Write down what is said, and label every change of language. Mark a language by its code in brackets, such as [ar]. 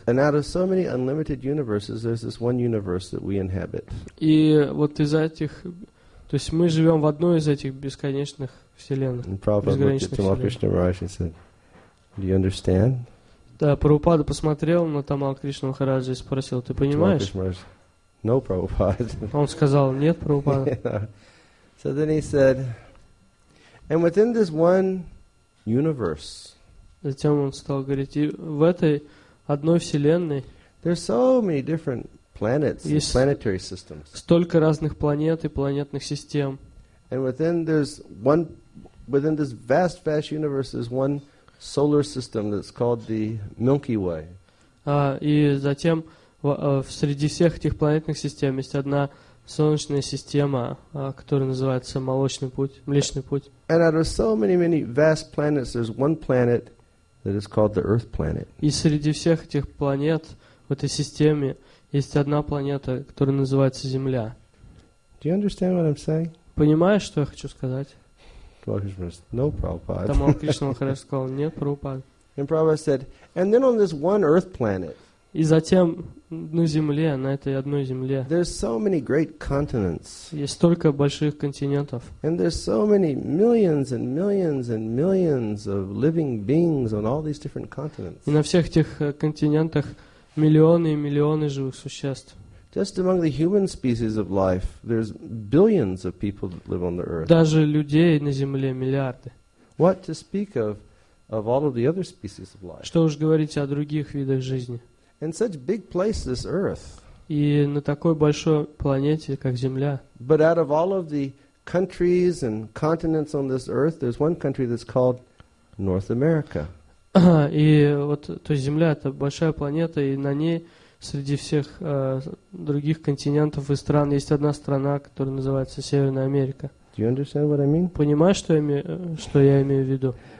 [en] And out of so many unlimited universes, there's this one universe that we inhabit. [ru] И вот из этих, то есть мы живем в одной из этих бесконечных вселенных. [en] And Prabhupada looked at Tamal Krishna Maharaj and said, do you understand? [ru] Да, Прабхупада посмотрел на Тамал Кришна Махараджа и спросил, ты понимаешь? [en] No, Prabhupada. [ru] Он сказал, нет, Прабхупада. [en] So then he said, and within this one universe, [ru] затем он стал говорить, и в этой одной вселенной [en] there's so many different planets and planetary systems. [ru] Столько разных планет и планетных систем. [en] And within this vast, vast universe is one solar system that's called the Milky Way. [ru] И затем среди всех этих планетных систем есть одна солнечная система, которая называется Молочный путь, Млечный путь. [en] And out of so many, many vast planets, there's one planet that is called the Earth planet. [ru] И среди всех этих планет в этой системе есть одна планета, которая называется Земля. [en] Do you understand what I'm saying? [ru] Понимаешь, что я хочу сказать? [en] No, Prabhupada. [ru] Там он Кришна Махарадж сказал, нет, Прабхупада. [en] And Prabhupada said, and then on this one Earth planet. [ru] И затем на Земле, на этой одной Земле. [en] There's so many great continents. [ru] Есть столько больших континентов. [en] And there's so many millions and millions and millions of living beings on all these different continents. [ru] И на всех этих континентах миллионы и миллионы живых существ. [en] Just among the human species of life, there's billions of people that live on the earth. [ru] Даже людей на Земле миллиарды. [en] What to speak of all of the other species of life? [ru] Что уж говорить о других видах жизни? [en] And such big place this earth. [ru] И на такой большой планете, как Земля. [en] But out of all of the countries and continents on this earth, there's one country that's called North America. [ru] И вот, то есть Земля — это большая планета, и на ней среди всех других континентов и стран есть одна страна, которая называется Северная Америка. [en] Do you understand what I mean? [ru] Понимаешь, что я имею в виду?